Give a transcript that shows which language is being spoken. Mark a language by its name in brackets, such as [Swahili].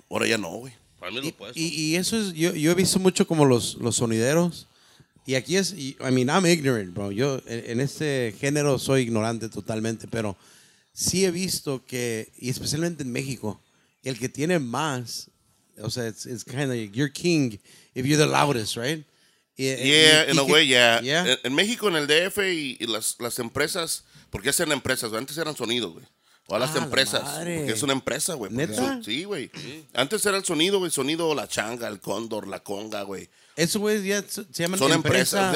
[Spanish] Ahora ya no, güey. Para mí es lo opuesto. Y eso es, yo he visto mucho como los sonideros. Y aquí es, [English] I mean, I'm ignorant, bro. [Spanish] Yo en este género soy ignorante totalmente, pero sí he visto que, y especialmente en México, el que tiene más. O sea, [English] it's kind of like you're king if you're the loudest, right? Yeah, in a way. [Spanish] En México, en el DF y las empresas, porque hacen empresas, güey. Antes eran sonidos, güey. O a las empresas. La madre. Porque es una empresa, güey. ¿Neta? Sí, güey. Antes era el sonido, güey. Sonido, la changa, el cóndor, la conga, güey. Eso, güey, ya se llaman son empresas.